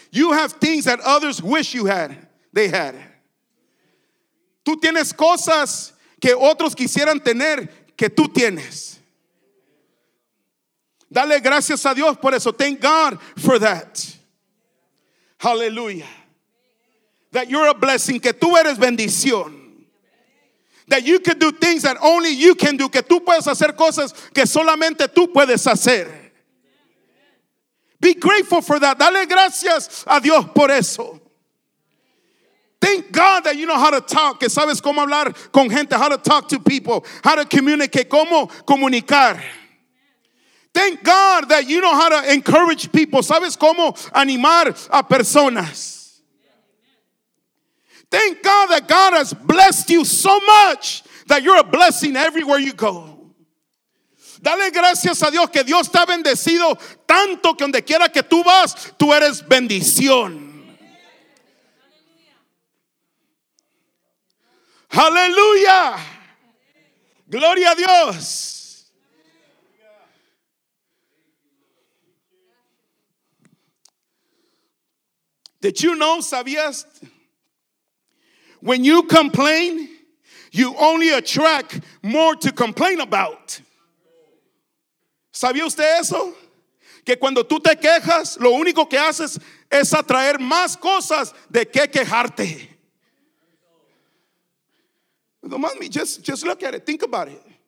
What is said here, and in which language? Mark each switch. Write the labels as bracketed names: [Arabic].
[English] You have things that others wish you had. They had. [Spanish] Tú tienes cosas que otros quisieran tener que tú tienes. Dale gracias a Dios por eso. [English] Thank God for that. Hallelujah. That you're a blessing. [Spanish] Que tú eres bendición. [English] That you can do things that only you can do. [Spanish] Que tú puedes hacer cosas que solamente tú puedes hacer. [English] Be grateful for that. [Spanish] Dale gracias a Dios por eso. [English] Thank God that you know how to talk. [Spanish] Que sabes cómo hablar con gente. [English] How to talk to people. How to communicate. [Spanish] Cómo comunicar. [English] Thank God that you know how to encourage people. [Spanish] Sabes cómo animar a personas. [English] Thank God that God has blessed you so much that you're a blessing everywhere you go. [Spanish] Dale gracias a Dios que Dios te ha bendecido tanto que donde quiera que tú vas, tú eres bendición. Hallelujah. Gloria a Dios. [English] Did you know, [Spanish] sabías? [English] When you complain, you only attract more to complain about. [Spanish] ¿Sabía usted eso? Que cuando tú te quejas, lo único que haces es atraer más cosas de qué quejarte. [English] Don't mind me, just look at it, think about it.